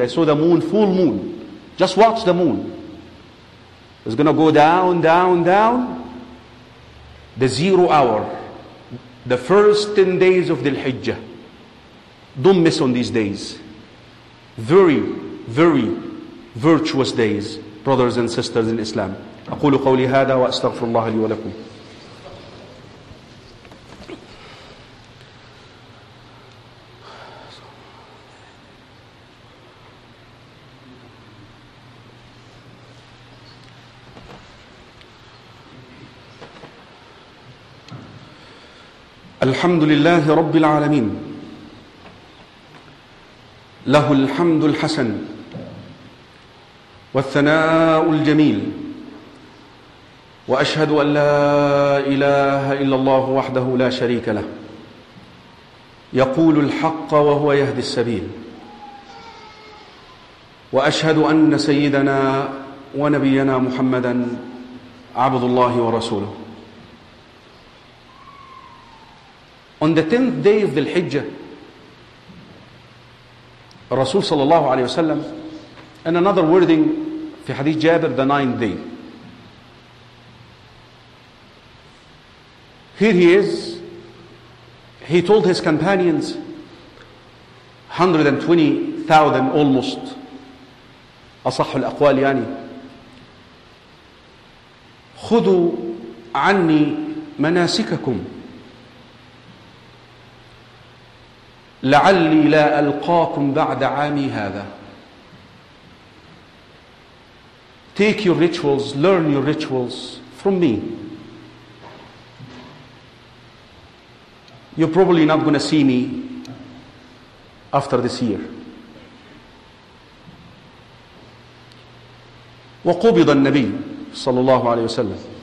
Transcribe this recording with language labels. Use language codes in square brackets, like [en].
[en] I saw the moon, full moon. Just watch the moon. It's going to go down, down, down. The 0 hour, the first 10 days of Dhul Hijjah. Don't miss on these days. Very, very virtuous days, brothers and sisters in Islam. [ar] أقول قولي هذا وأستغفر الله لي ولكم. الحمد لله رب العالمين له الحمد الحسن والثناء الجميل وأشهد أن لا إله إلا الله وحده لا شريك له يقول الحق وهو يهدي السبيل وأشهد أن سيدنا ونبينا محمدا عبد الله ورسوله. [en] On the 10th day of the Hijjah, Rasul sallallahu alayhi wa sallam, in another wording, [ar] fi hadith Jabir, [en] the 9th day. Here he is. He told his companions, 120,000 almost, [ar] asahhu al-aqwal yani, khudu anni manasikakum, لعلي لا ألقاكم بعد عامي هذا. [en] Take your rituals, learn your rituals from me. You're probably not going to see me after this year. [ar] وقبض النبي صلى الله عليه وسلم.